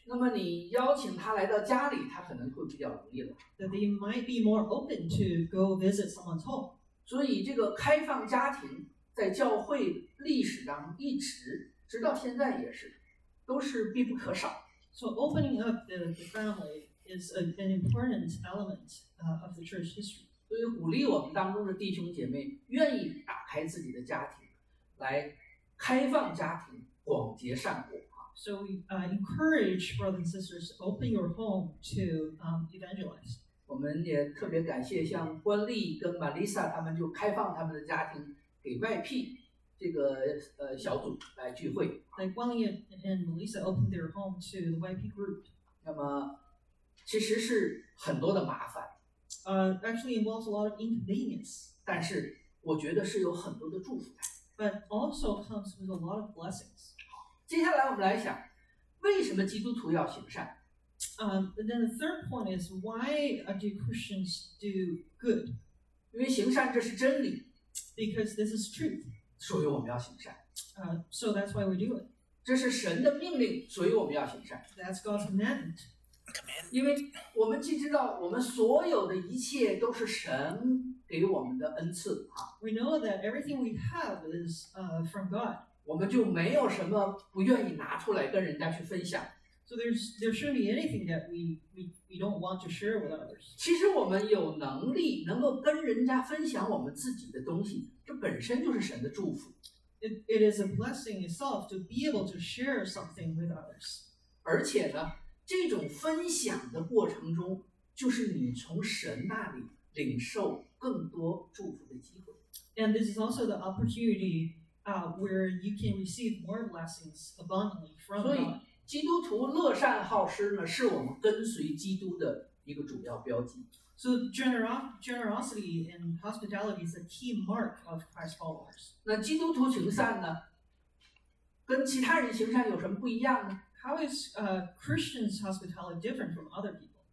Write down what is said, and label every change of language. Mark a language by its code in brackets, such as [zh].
[zh] 那么你邀请他来到家里，他可能会比较容易了。 [en] That they might be more open to go visit someone's home. [zh] 所以这个开放家庭在教会历史上一直直到现在也是，都是必不可少。 [en] So opening up the family is an important element of the church history. [zh] 所以鼓励我们当中的弟兄姐妹愿意打开自己的家庭，来开放家庭，广结善果。 [en] So we encourage brothers and sisters open your home to evangelize. [zh] 我们也特别感谢像关丽跟玛丽莎他们就开放他们的家庭给外聘这个小组来聚会。 [en] Like 关丽 and Melissa opened their home to the YP group. [zh] 那么其实是很多的麻烦。 [en] Actually involves a lot of inconvenience. [zh] 但是我觉得是有很多的祝福的。 [en] But also comes with a lot of blessings. [zh] 好，接下来我们来想，为什么基督徒要行善？ [en] Then the third point is why do Christians do good? [zh] 因为行善这是真理。 [en] Because this is truth. [zh] 所以我们要行善。 [en] So that's why we do it. [zh] 这是神的命令，所以我们要行善。 [en] That's God's commandment. [zh] 因为我们既知道我们所有的一切都是神给我们的恩赐啊。 [en] We know that everything we have is from God. [zh] 我们就没有什么不愿意拿出来跟人家去分享。 [en] So there shouldn't be anything that we don't want to share with others. [zh] 其实我们有能力能够跟人家分享我们自己的东西，这本身就是神的祝福。 [en] It is a blessing itself to be able to share something with others. [zh] 而且呢这种分享的过程中，就是你从神那里领受更多祝福的机会。 [en] And this is also the opportunity, where you can receive more blessings abundantly from God. [zh] 所以，基督徒乐善好施呢，是我们跟随基督的一个主要标记。 [en] So generosity and hospitality is a key mark of Christ followers. [zh] 那基督徒行善呢？跟其他人行善有什么不一样呢？ [en] How is Christians hospitality different from other people?